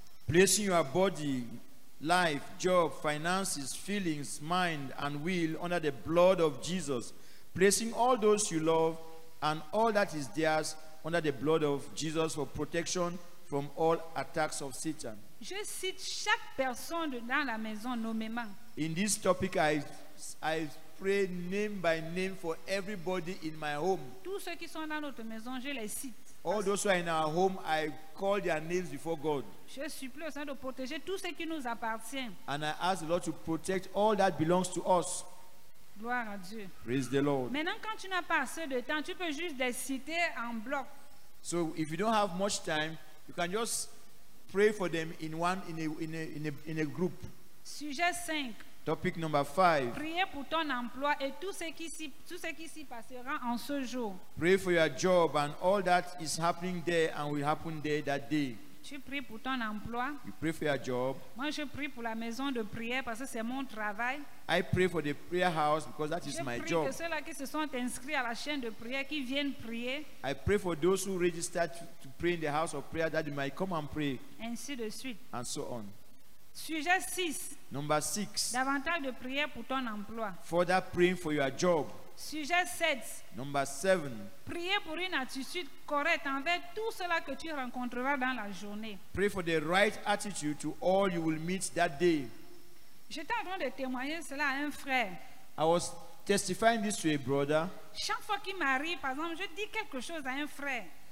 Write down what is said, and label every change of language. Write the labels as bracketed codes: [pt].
[en] Placing your body, life, job, finances, feelings, mind and will under the blood of Jesus. Placing all those you love and all that is theirs under the blood of Jesus for protection from all attacks of Satan. [fr] Je cite chaque personne dans la maison nommément. [en] In this topic, I pray name by name for everybody in my home. [fr] Tous ceux qui sont dans notre maison, je les cite. [en] All those who are in our home, I call their names before God. [fr] Je supplie au Seigneur de protéger tout ce qui nous appartient. [en] And I ask the Lord to protect all that belongs to us. [fr] Gloire à Dieu. [en] Praise the Lord. [fr] Maintenant, quand tu n'as pas assez de temps, tu peux juste les citer en bloc. [en] So if you don't have much time, you can just pray for them in a group. [fr] Sujet 5. [en] Topic number 5. [fr] Prier pour ton emploi et tout ce qui s'y passera en ce jour. [en] Pray for your job and all that is happening there and will happen there that day. [fr] Tu pries pour ton emploi. [en] You pray for your job. [fr] Moi, je prie pour la maison de prière parce que c'est mon travail. [en] I pray for the prayer house because that [fr] je [en] is my job. [fr] Que ceux-là qui se sont inscrits à la chaîne de prière qui viennent prier. [en] I pray for those who registered to pray in the house of prayer that they might come and pray. [fr] Ainsi de suite. [en] And so on. [fr] Sujet 6. [en] Number 6. [fr] Davantage de prière pour ton emploi. [en] Further praying for your job. [fr] Sujet 7. [en] Number 7. [fr] Prier pour une attitude correcte envers tout cela que tu rencontreras dans la journée. [en] Pray for the right attitude to all you will meet that day. [fr] J'étais en train de témoigner cela à un frère. [en] I was testifying this to a brother. [fr] Chaque fois qu'il m'arrive, par exemple, je dis quelque chose à un frère.